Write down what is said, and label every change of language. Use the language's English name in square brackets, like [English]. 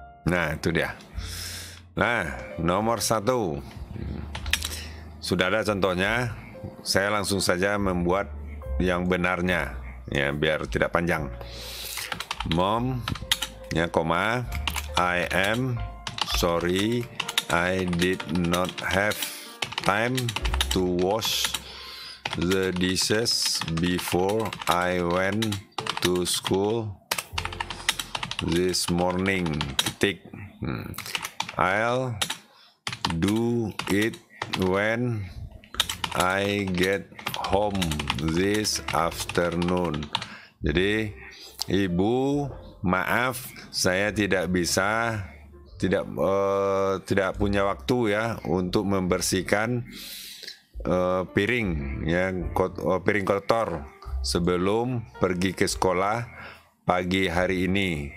[Indonesian] Nah, itu dia. Nah, nomor 1. Sudah ada contohnya. Saya langsung saja membuat yang benarnya ya, biar tidak panjang. [English] Mom [Indonesian] ya, koma, [English] I am sorry I did not have time to wash the dishes before I went to school this morning. [Indonesian] Titik. [English] I'll do it when I get home this afternoon. [Indonesian] Jadi, ibu, maaf, saya tidak punya waktu ya untuk membersihkan piring kotor sebelum pergi ke sekolah pagi hari ini.